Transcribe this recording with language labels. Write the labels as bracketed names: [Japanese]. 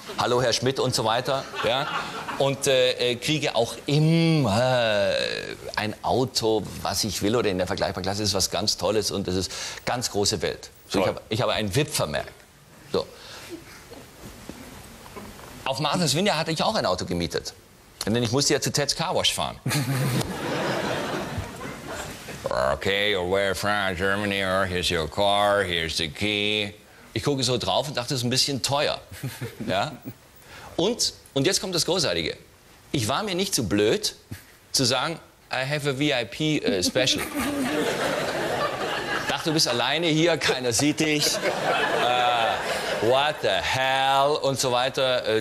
[German] Hallo Herr Schmidt und so weiter. Ja? Und kriege auch immer ein Auto, was ich will oder in der vergleichbaren Klasse. Das ist was ganz Tolles und das ist ganz große Welt. So, ich habe ein VIP-Vermerk. So. Auf Martha's Vineyard hatte ich auch ein Auto gemietet. Denn ich musste ja zu Ted's Car Wash fahren. [English] Okay, you're away from Germany, here's your car, here's the key. [German] Ich gucke so drauf und dachte, das ist ein bisschen teuer. Ja? Und jetzt kommt das Großartige. Ich war mir nicht zu blöd, zu sagen, [English] I have a VIP special. [German] Dachte, du bist alleine hier, keiner sieht dich. [English] What the hell? [German] Und so weiter.